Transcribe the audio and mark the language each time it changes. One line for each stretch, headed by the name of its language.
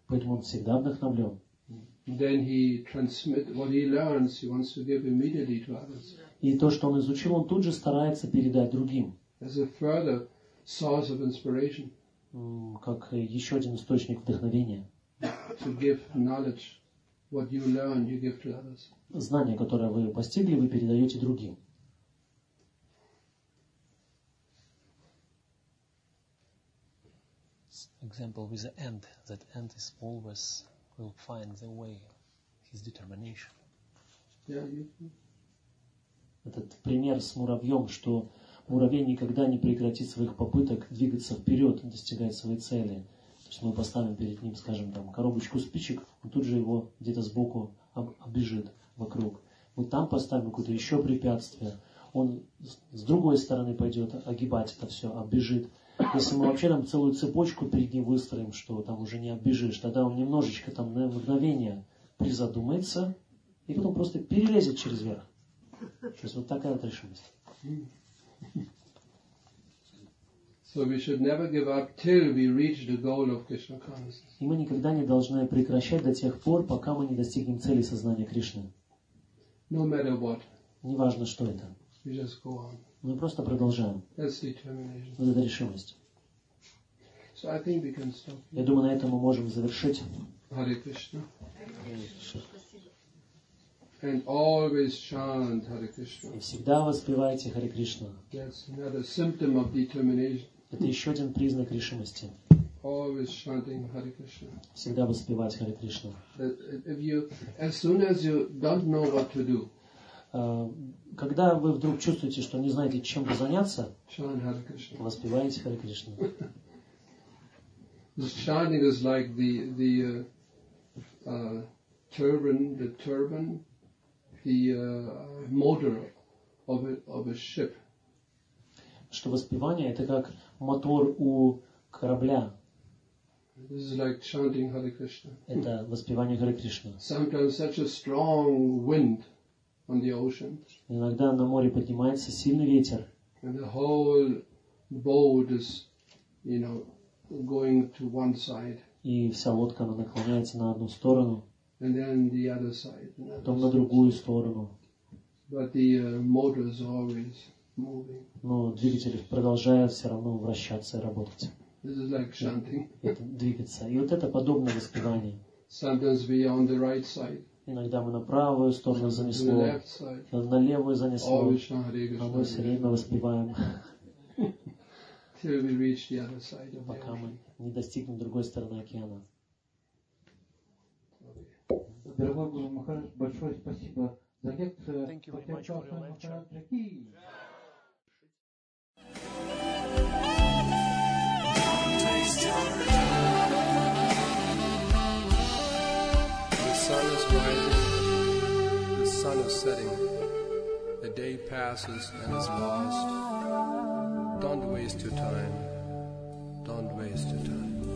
Russian: Поэтому он всегда вдохновлен.
English: Then he transmit what he learns. He wants to give immediately to others.
Russian: И то, что он изучил, он тут же старается передать другим.
English: As a further source of inspiration.
Russian: Как еще один источник вдохновения.
English: To give knowledge, what you learn, you give to others.
Russian: Знания, которые вы постигли, вы передаете другим.
English: Example with the ant. That ant is always. Will find the way, his determination.
Russian: Этот пример с муравьем, что муравей никогда не прекратит своих попыток двигаться вперед, достигать своей цели. То есть мы поставим перед ним, скажем, там коробочку спичек, он тут же его где-то сбоку оббежит вокруг. Мы там поставим какое-то еще препятствие, он с другой стороны пойдет огибать это все, оббежит. Если мы вообще там целую цепочку перед ним выстроим, что там уже не оббежишь, тогда он немножечко там на мгновение призадумается и потом просто перелезет через верх. То есть вот такая вот решимость.
English: So we should never give up till we reach the goal of Krishna consciousness.
Russian: И мы никогда не должны прекращать до тех пор, пока мы не достигнем цели сознания Кришны.
English: No matter what.
Russian: Неважно, что это.
English: We just go on.
Russian: Мы просто продолжаем. Вот это решимость.
English: So I think we can stop.
Russian: Я думаю, на этом мы можем завершить.
English: Hare Krishna. And always chant Hare Krishna.
Russian: И всегда воспевайте Hare Krishna.
English: That's another symptom of determination.
Russian: Это еще один признак решимости.
English: Always chanting Hare Krishna.
Russian: Всегда воспевать Hare Krishna.
English: If you, as soon as you don't know what to do.
Russian: Когда вы вдруг чувствуете, что не знаете, чем бы заняться, воспеваете Харе Кришну.
English: Chanting is like the motor of a ship.
Russian: Что воспевание это как мотор у корабля.
English: This is like chanting Hare Krishna.
Russian: Это воспевание Харе Кришны.
English: Sometimes such a strong wind. On the ocean.
Russian: Иногда на море поднимается сильный ветер.
English: And the whole boat is, you know, going to one side.
Russian: И вся лодка она наклоняется на одну сторону.
English: And then the other side.
Russian: Потом на другую сторону.
English: But the motor is always moving.
Russian: Но двигатель продолжает все равно вращаться и работать.
English: This is like chanting.
Russian: Это двигаться. И вот это подобно воспеванию.
English: Sometimes we are on the right side.
Russian: Иногда мы на правую сторону занесло, на левую занесло, а мы все время воспеваем, пока мы не достигнем другой стороны океана. Дорогой Гуру Махарадж, большое спасибо за лекцию.
English: The sun is setting, the day passes and is lost. Don't waste your time, don't waste your time.